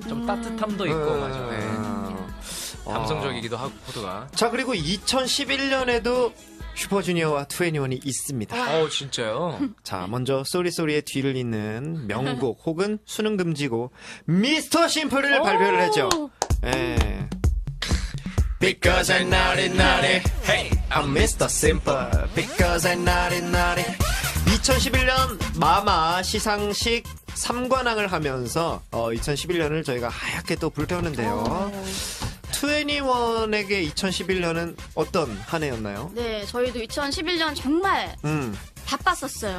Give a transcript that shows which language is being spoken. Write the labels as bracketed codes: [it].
[ko] 좀 따뜻함도 있고 맞아요. 감성적이기도 하고 코드가. 자 그리고 2011년에도 슈퍼주니어와 2NE1이 있습니다. 진짜요? 자 먼저 쏘리쏘리의 뒤를 잇는 명곡 혹은 수능 금지곡 미스터 심플을 발표를 했죠. 예. [en] Because I'm naughty naughty, hey, I'm Mr. Simple. Because I'm naughty naughty. [ko] 2011년 마마 시상식 3관왕을 하면서 2011년을 저희가 하얗게 또 불태웠는데요. 2NE1에게 2011년은 어떤 한 해였나요? 네, 저희도 2011년 정말 바빴었어요.